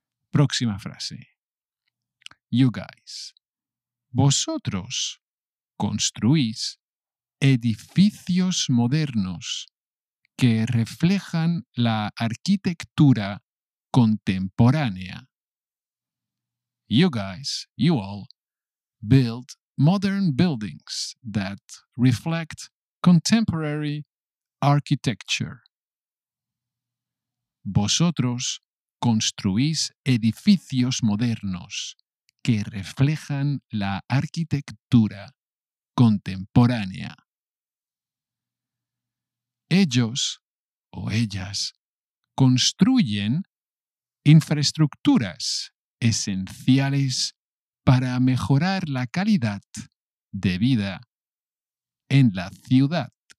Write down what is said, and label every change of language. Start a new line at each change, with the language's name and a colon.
Spanish: Próxima frase.
English: You guys.
Spanish: Vosotros construís edificios modernos que reflejan la arquitectura contemporánea.
English: You guys, you all, build modern buildings that reflect contemporary architecture.
Spanish: Vosotros construís edificios modernos que reflejan la arquitectura contemporánea. Ellos o ellas construyen infraestructuras esenciales para mejorar la calidad de vida en la ciudad.